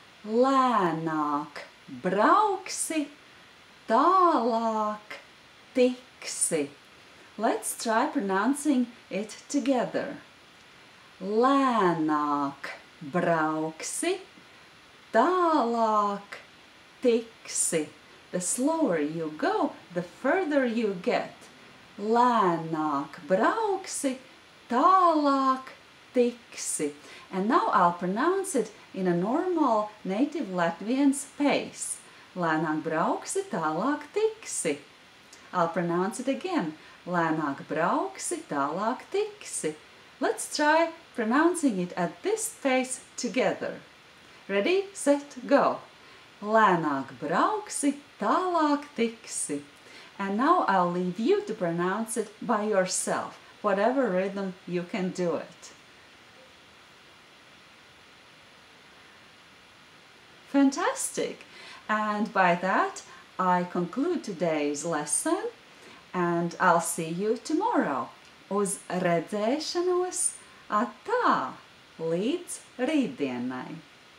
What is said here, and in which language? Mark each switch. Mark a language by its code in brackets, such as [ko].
[lv] Lēnāk brauksi, tālāk tiksi. [en] Let's try pronouncing it together. [lv] Lēnāk brauksi, tālāk tiksi. [en] The slower you go, the further you get. [lv] Lēnāk brauksi, tālāk tiksi. [en] And now I'll pronounce it in a normal native Latvian pace. [lv] Lēnāk brauksi, tālāk tiksi. [en] I'll pronounce it again. [lv] Lēnāk brauksi, tālāk tiksi. [en] Let's try pronouncing it at this pace together. Ready, set, go. Lēnāk brauksi, tālāk tiksi. And now I'll leave you to pronounce it by yourself. Whatever rhythm you can do it. Fantastic! And by that, I conclude today's lesson, and I'll see you tomorrow. [lv] Uz redzēšanos, atā, līdz rītdienai!